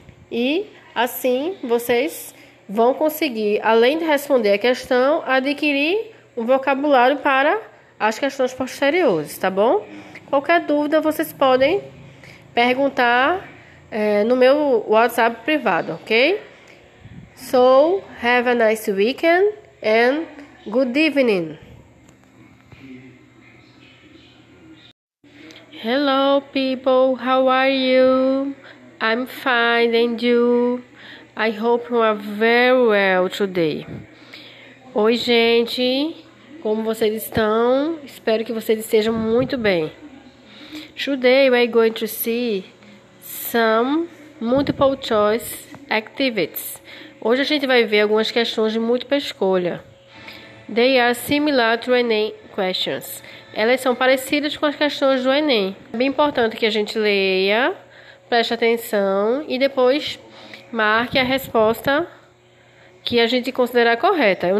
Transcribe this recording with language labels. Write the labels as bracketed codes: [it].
[pt] E assim vocês vão conseguir, além de responder a questão, adquirir um vocabulário para as questões posteriores, tá bom? Qualquer dúvida, vocês podem perguntar no meu WhatsApp privado, ok? [en] So, have a nice weekend and good evening. Hello, people. How are you? I'm fine. And you? I hope you are very well today. [pt] Oi, gente. Como vocês estão? Espero que vocês estejam muito bem. [en] Today, we're going to see some multiple choice activities. [pt] Hoje a gente vai ver algumas questões de múltipla escolha. [en] They are similar to Enem questions. [pt] Elas são parecidas com as questões do Enem. É bem importante que a gente leia, preste atenção e depois marque a resposta que a gente considerar correta.